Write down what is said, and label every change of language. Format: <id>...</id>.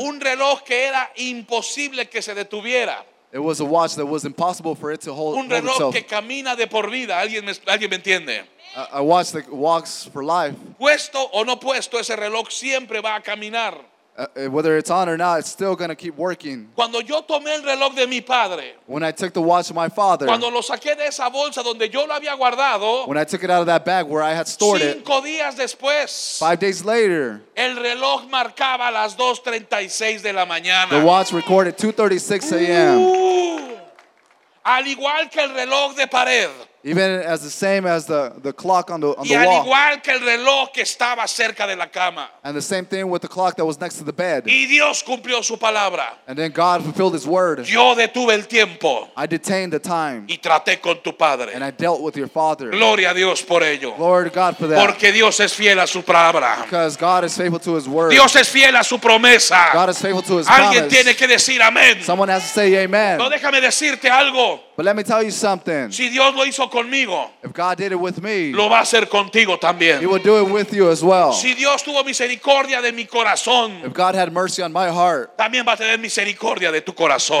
<es>Un reloj que era imposible que se detuviera.</es> <en>It was a watch that was impossible for it to hold itself.</en> <es>Un reloj que camina de por vida. ¿Alguien me entiende?</es> <en>A watch that walks for life.</en> <es>Puesto o no puesto, ese reloj siempre va a caminar.</es> <en>Whether it's on or not, it's still going to keep working.</en> <es>Cuando yo tomé el reloj de mi padre.</es> <en>When I took the watch of my father.</en> <es>Cuando lo saqué de esa bolsa donde yo lo había guardado.</es> <en>When I took it out of that bag where I had stored it.</en> <es>5 días después.</es> <en>5 days later.</en> <es>El reloj marcaba a las 2:36 de la mañana.</es> <en>The watch recorded 2:36 a.m.</en> <es>Al igual que el reloj de pared.</es> <en>Even as the same as the clock on the wall.</en> <es>Y al igual que el reloj que estaba cerca de la cama.</es> <en>And the same thing with the clock that was next to the bed.</en> <es>Y Dios cumplió su palabra.</es> <en>And then God fulfilled his word.</en> <es>Yo detuve el tiempo.</es> <en>I detained the time.</en> <es>Y traté con tu padre.</es> <en>And I dealt with your father.</en> <es>Gloria a Dios por ello.</es> <en>Glory to God for that.</en> <es>Porque Dios es fiel a su palabra.</es> <en>Because God is faithful to his word.</en> <es>Dios es fiel a su promesa.</es> <en>God is faithful to his</en> <es>Alguien</es> <en>promise.</en> <es>Tiene que decir amén.</es> <en>Someone has to say amen.</en> <es>No, déjame decirte algo.</es> <en>But let me tell you something.</en> <es>Si Dios lo hizo conmigo,</es> <en>if God did it with me,</en> <es>lo va a hacer contigo también.</es> <en>He will do it with you as well.</en> <es>Si Dios tuvo misericordia de mi corazón,</es> <en>if God had mercy on my heart,</en> <es>también va a tener misericordia de tu corazón.</es>